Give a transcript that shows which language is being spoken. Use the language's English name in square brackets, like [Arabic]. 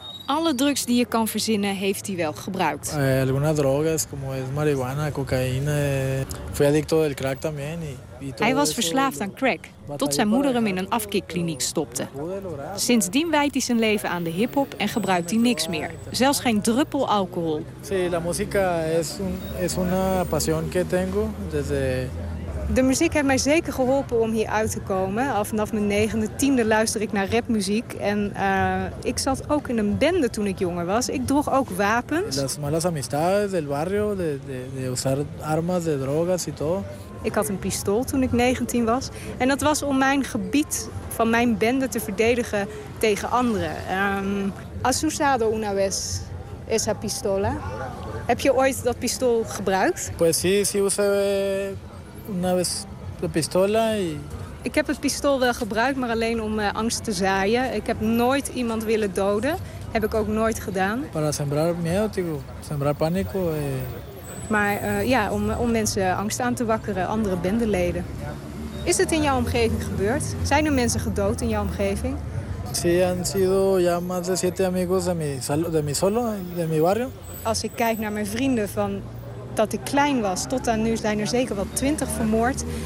[Dutch] Alle drugs die je kan verzinnen heeft hij wel gebruikt. [Spanish] Algunas drogas como es marihuana, cocaína. Fui adicto del crack también. [Dutch] Hij was verslaafd aan crack, tot zijn moeder hem in een afkikkliniek stopte. Sindsdien wijdt hij zijn leven aan de hip-hop en gebruikt hij niks meer. Zelfs geen druppel alcohol. [Spanish] Sí, la música es una pasión que tengo desde. [Dutch] De muziek heeft mij zeker geholpen om hier uit te komen. Al vanaf mijn 9e, 10e luister ik naar rapmuziek. En ik zat ook in een bende toen ik jonger was. Ik droeg ook wapens. [Spanish] Las malas amistades del barrio, de usar armas, de drogas y todo. [Dutch] Ik had een pistool toen ik 19 was. En dat was om mijn gebied van mijn bende te verdedigen tegen anderen. [Spanish] ¿Has usado una vez esa pistola? [Dutch] Heb je ooit dat pistool gebruikt? [Spanish] Pues sí, sí usé. [Dutch] Ik heb het pistool wel gebruikt, maar alleen om angst te zaaien. Ik heb nooit iemand willen doden. Heb ik ook nooit gedaan. [Spanish] Para sembrar miedo, tipo, sembrar pánico. [Dutch] Maar ja, om mensen angst aan te wakkeren, andere bendeleden. Is het in jouw omgeving gebeurd? Zijn er mensen gedood in jouw omgeving? [Spanish] Sí, han sido ya más de 7 amigos de mi barrio. [Dutch] Als ik kijk naar mijn vrienden van. Dat ik klein was, tot aan nu zijn er zeker wel 20 vermoord.